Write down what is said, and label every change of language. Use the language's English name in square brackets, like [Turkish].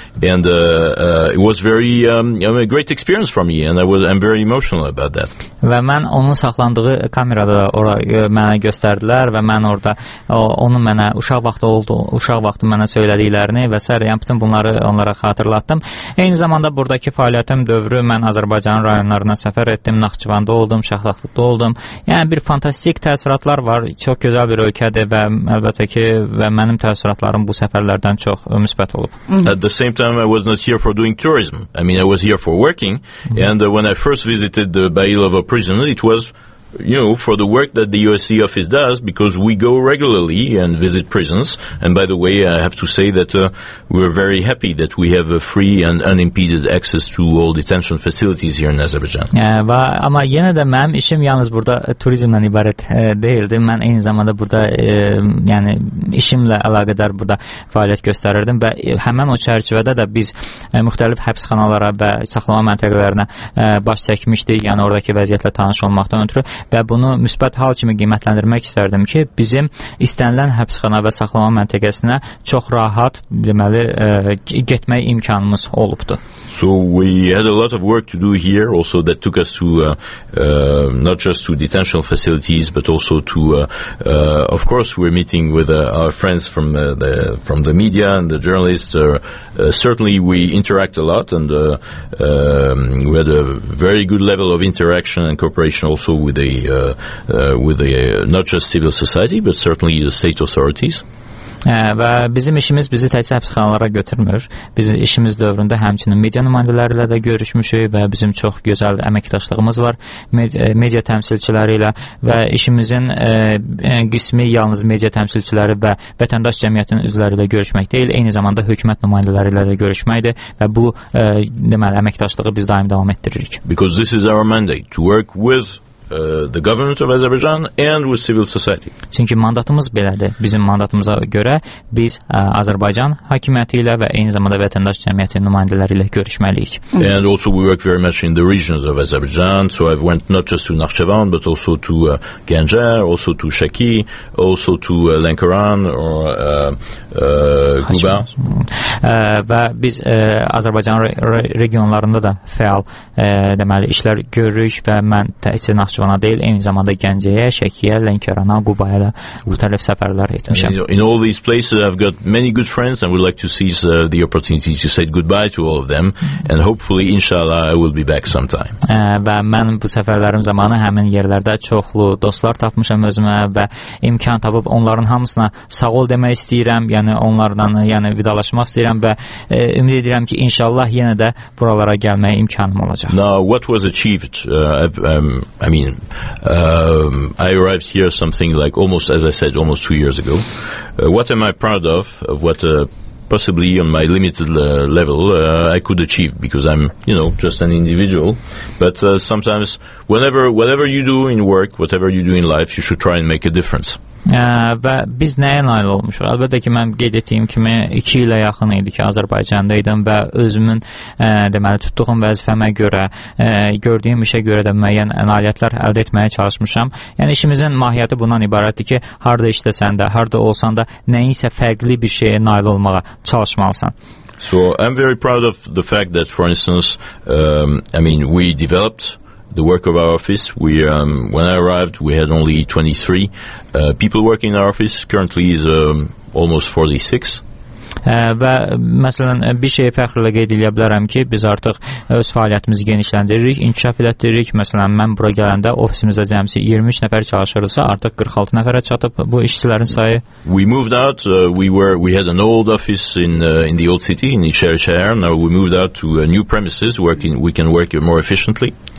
[English] And it was very a great experience for me, and I'm very emotional about that. [Azerbaijani] Və mən onun saxlandığı kamerada ora mənə göstərdilər və mən orada onun mənə uşaq vaxtı oldu, uşaq vaxtı mənə söylədiklərini və s. yəni bütün bunları onlara xatırlatdım. Eyni zamanda buradakı fəaliyyətim dövrü mən Azərbaycanın rayonlarına səfər etdim, Naxçıvanda oldum, Şaxlıqda oldum. Yəni bir fantastik təəssüratlar var. Çox gözəl bir ölkədir və əlbəttə ki və mənim təəssüratlarım bu səfərlərdən çox müsbət olub. [English] At the same time I was not here for doing tourism. I mean I was here for working and when I first visited the Bayılov a prison, it was, you know, for the work that the USC office does, because we go regularly and visit prisons. And by the way, I have to say that we're very happy that we have a free and unimpeded access to all detention facilities here in Azerbaijan. [Azerbaijani] Amma yenə də mənim işim yalnız burada turizmdən ibarət deyildi. Mən eyni zamanda burada, yəni işimlə əlaqədar burada fəaliyyət göstərirdim və həmin o çərçivədə də biz müxtəlif həbsxanalara və saxlama məntəqələrinə baş çəkmişdik, yəni oradakı vəziyyətlə tanış olmaqdan ötürü və bunu müsbət hal kimi qiymətləndirmək istərdim ki, bizim istənilən həbsxana və saxlama məntəqəsinə çox rahat, deməli, getmək imkanımız olubdu. [English] So we had a lot of work to do here also that took us to not just to detention facilities but also to of course we're meeting with our friends from the media and the journalists certainly we interact a lot and we had a very good level of interaction and cooperation also with the not just civil society but certainly the state authorities. [Azerbaijani] Və bizim işimiz bizi təkcə həbsxanalara götürmür. Biz işimiz dövründə həmçinin media nümayəndələri ilə də görüşmüşük və bizim çox gözəl əməkdaşlığımız var media təmsilçiləri ilə və işimizin qismi yalnız media təmsilçiləri və vətəndaş cəmiyyətinin üzvləri ilə görüşmək deyil, eyni zamanda hökumət nümayəndələri ilə də görüşməkdir və bu deməli əməkdaşlığı biz daim davam etdiririk. [English] Because this is our mandate to work with the government of Azerbaijan and with civil society. [Azerbaijani] Çünki mandatımız belədir. Bizim mandatımıza görə biz Azərbaycan hakimiyyəti ilə və eyni zamanda vətəndaş cəmiyyətinin nümayəndələri ilə görüşməliyik. [English] And also we work very much in the regions of Azerbaijan, so I went not just to Naxçıvan but also to Gəncə, also to Şəki, also to Lənkəran or Quba. [Azerbaijani] Və biz Azərbaycan regionlarında da fəal deməli işlər görürük və mən təkcə Naxçıvana deyil, eyni zamanda Gəncəyə, Şəkiyə, Lənkərana, Qubaya da müxtəlif səfərlər etmişəm. [English] In all these places I've got many good friends and would like to seize the opportunity to say goodbye to all of them and hopefully inshallah I will be back sometime. [Azerbaijani] Və mən bu səfərlərim zamanı həmin yerlərdə çoxlu dostlar tapmışam özümə və imkan tapıb onların hamısına sağ ol demək istəyirəm, yəni onlardan yəni vidalaşmaq istəyirəm və ümid edirəm ki inşallah yenə də buralara gəlməyə imkanım olacaq. [English] Now what was achieved I mean, I arrived here something like almost, as I said, almost 2 years ago. What am I proud of what possibly on my limited level I could achieve because I'm, you know, just an individual. But sometimes whatever you do in work, whatever you do in life, you should try and make a difference. [Azerbaijani] Və biz nəyə nail olmuşuq? Əlbəttə ki, mən qeyd etdiyim kimi 2 ilə yaxın idi ki, Azərbaycanda idim və özümün deməli tutduğum vəzifəmə görə, gördüyüm işə görə də müəyyən nailiyyətlər əldə etməyə çalışmışam. Yəni işimizin mahiyyəti bundan ibarətdir ki, harda işləsən də, harda olsan da nəyinsə fərqli bir şeyə nail olmağa çalışmalısan. [English] So, I'm very proud of the fact that for instance, we developed the work of our office. We when I arrived we had only 23 people working in our office. Currently is almost 46. [Azerbaijani] Və məsələn bir şey fəxrlə qeyd edə bilərəm ki, biz artıq öz fəaliyyətimizi genişləndiririk, inkişaf elətdiririk. Məsələn, mən bura gələndə ofisimizdə cəmisi 23 nəfər çalışırdısa, artıq 46 nəfərə çatıb bu işçilərin sayı. [English] We moved out. We had an old office in the old city in İçərişəhər. Now we moved out to a new premises working we can work more efficiently.